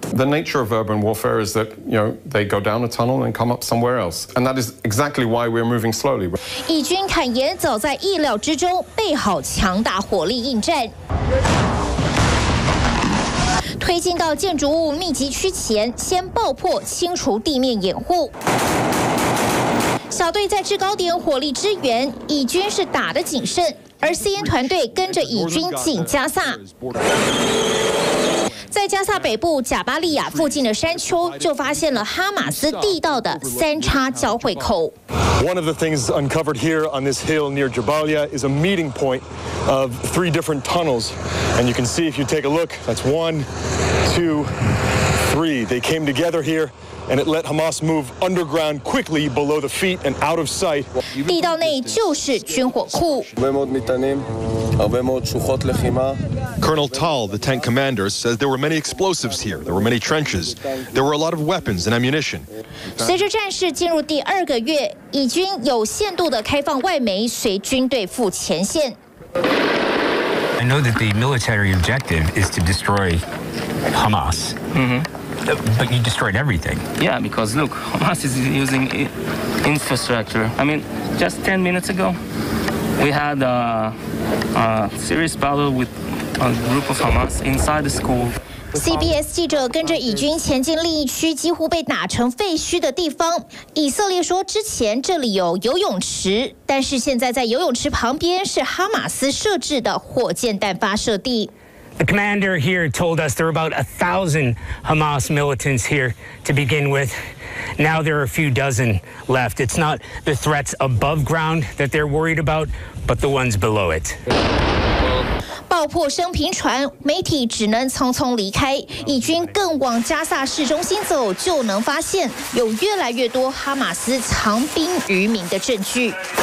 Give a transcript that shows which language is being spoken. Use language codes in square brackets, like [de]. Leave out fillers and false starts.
[en] The nature of urban warfare is that, you know, they go down a tunnel and come up somewhere else, and that is exactly why we're moving slowly. [zh] 以军坦言早在意料之中，备好强大火力应战。推进到建筑物密集区前，先爆破清除地面掩护。小队在制高点火力支援，以军是打得谨慎。而 CN 团队跟着以军进加萨，在加萨北部贾巴利亚附近的山丘，就发现了哈马斯地道的三叉交汇口。 [en] One of the things uncovered here on this hill near Jabalia is a meeting point of 3 different tunnels, and you can see if you take a look, that's 1, 2, 3. They came together here. And it let Hamas move underground quickly below the feet and out of sight. [zh] 地道内就是军火库。 [he] הרבה מאוד מטענים, הרבה מאוד שוחות לחימה. [en] Colonel Tal, the tank commander, says there were many explosives here. There were many trenches. There were a lot of weapons and ammunition. [zh] 随着战事进入第二个月，以军有限度的开放外媒，随军队赴前线。 [en] I know that the military objective is to destroy Hamas. But you destroyed everything. Yeah, because look, Hamas is using infrastructure. I mean, just 10 minutes ago, we had a serious battle with a group of Hamas inside the school. [zh] CBS 记者跟着以军前进另一区几乎被打成废墟的地方。以色列说之前这里有游泳池，但是现在在游泳池旁边是哈马斯设置的火箭弹发射地。 [en] The commander here told us there are about 1,000 Hamas militants here to begin with. Now there are a few dozen left. It's not the threats above ground that they're worried about, but the ones below it. [zh] 爆破声频传，媒体只能匆匆离开。以军更往加萨市中心走，就能发现有越来越多哈马斯藏兵于民的证据。